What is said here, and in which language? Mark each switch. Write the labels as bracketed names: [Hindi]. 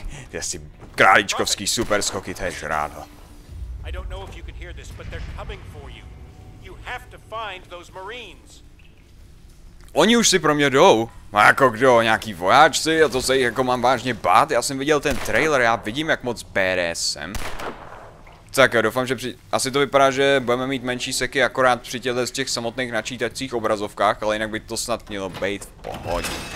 [Czech] Ty jsi králičkovský super skoky, to je žrádlo. [English] I don't know if you can hear this, but they're coming for you. You have to find those marines. [Czech] Oni už si pro mě jdou. A jako kdo, nějaký vojáčci, a to se jich jako mám vážně bát. Já jsem viděl ten trailer, já vidím, jak moc BDS jsem. Tak jo, doufám, že asi to vypadá, že budeme mít menší seky akorát při těchto z těch samotných načítacích obrazovkách, ale jinak by to snad mělo být v pohodě.